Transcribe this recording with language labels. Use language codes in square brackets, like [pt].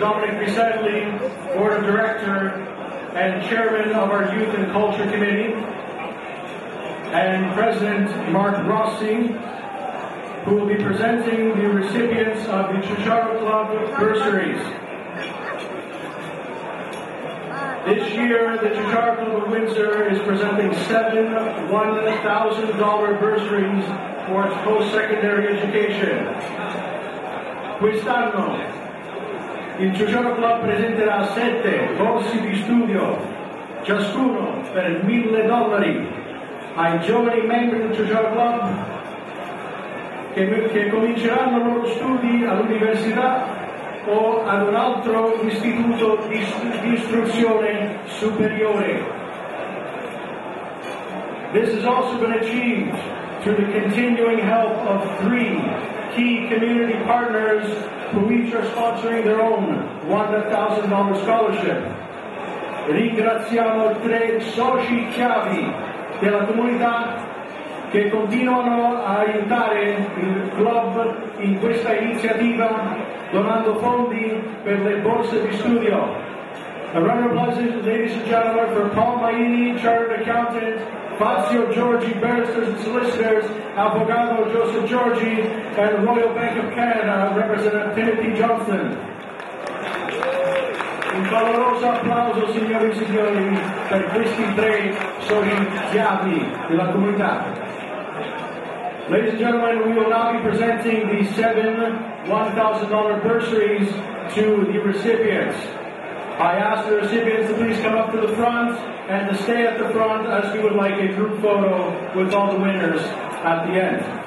[en] Dominic Bisetti, Board of Director and Chairman of our Youth and Culture Committee, and President Mark Rossi, who will be presenting the recipients of the Ciociaro Club bursaries. This year, the Ciociaro Club of Windsor is presenting 7 $1,000 bursaries for its post-secondary education. [it] Quest'anno, il Ciociaro Club presenterà 7 corsi di studio, ciascuno per $1,000, ai giovani membri del Ciociaro Club che cominceranno i loro studi all'università o ad un altro istituto di istruzione superiore. [en] This has also been achieved through the continuing help of 3 key community partners who each are sponsoring their own $1,000 scholarship. [it] Ringraziamo 3 soci chiavi della comunità che continuano a aiutare il club in questa iniziativa, donando fondi per le borse di studio. [en] A round of applause, ladies and gentlemen, for Paul Maini, Chartered Accountant, Fazio Giorgi, Barristers and Solicitors, Avvocato Joseph Giorgi, and Royal Bank of Canada, Representative Timothy Johnson. [it] Un caloroso applauso, signori e signori, per questi 3 soci chiavi della comunità. [en] Ladies and gentlemen, we will now be presenting the 7 $1,000 bursaries to the recipients. I ask the recipients to please come up to the front and to stay at the front as we would like a group photo with all the winners at the end.